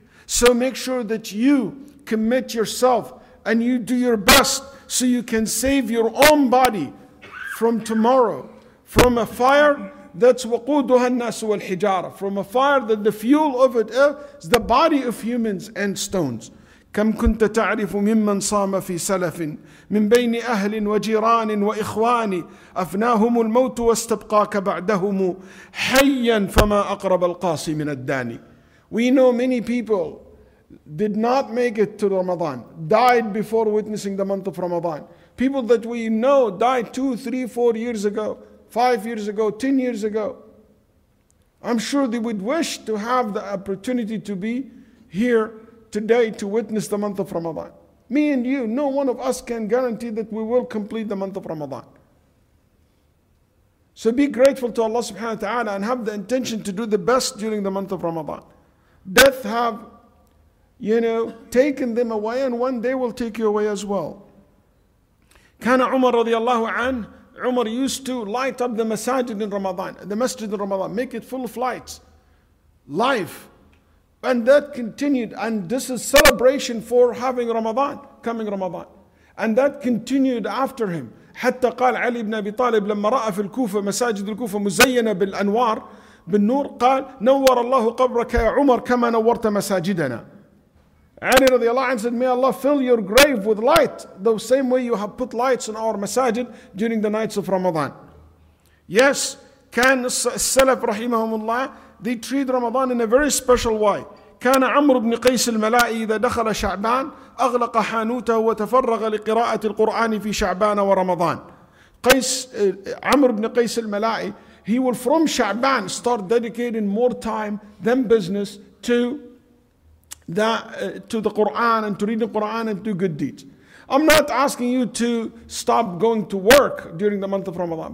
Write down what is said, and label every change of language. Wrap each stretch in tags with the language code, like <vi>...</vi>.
<en>So make sure that you commit yourself and you do your best so you can save your own body from tomorrow, from a fire that's waqooduha an-nas wal-hijara, from a fire that the fuel of it is the body of humans and stones.</en> <ar>كم كنت تعرف ممن صام في سلف من بين أهل وجيران وإخوان أفناهم الموت واستبقاك بعدهم حيا فما أقرب القاسي من الداني.</ar> <en>We know many people did not make it to Ramadan, died before witnessing the month of Ramadan. People that we know died 2, 3, 4 years ago, 5 years ago, 10 years ago. I'm sure they would wish to have the opportunity to be here today to witness the month of Ramadan. Me and you, no one of us can guarantee that we will complete the month of Ramadan. So be grateful to Allah subhanahu wa ta'ala and have the intention to do the best during the month of Ramadan. Death have, you know, taken them away, and one day will take you away as well. Kana Umar radiallahu anhu, Umar used to light up the masajid in Ramadan, the masjid in Ramadan, make it full of lights, life. And that continued, and this is celebration for having Ramadan, coming Ramadan. And that continued after him.</en> <ar>حتى قال علي بن أبي طالب لما رأى في الكوفة مساجد الكوفة مزينة بالأنوار بالنور قال نور الله قبرك يا عمر كما نورت مساجدنا. علي رضي الله عنه</ar> <en>said, may Allah fill your grave with light the same way you have put lights in our masajid during the nights of Ramadan. Yes,</en> <ar>كان السلف رحمهم الله,</ar> <en>they treat Ramadan in a very special way.</en> <ar>كان عمرو بن قيس الملائي إذا دخل شعبان أغلق حانوته وتفرغ لقراءة القرآن في شعبان ورمضان.</ar> <en>قيس عمرو بن قيس الملائي, he will from شعبان start dedicating more time than business to the Quran and to reading Quran and to good deeds. I'm not asking you to stop going to work during the month of Ramadan.</en>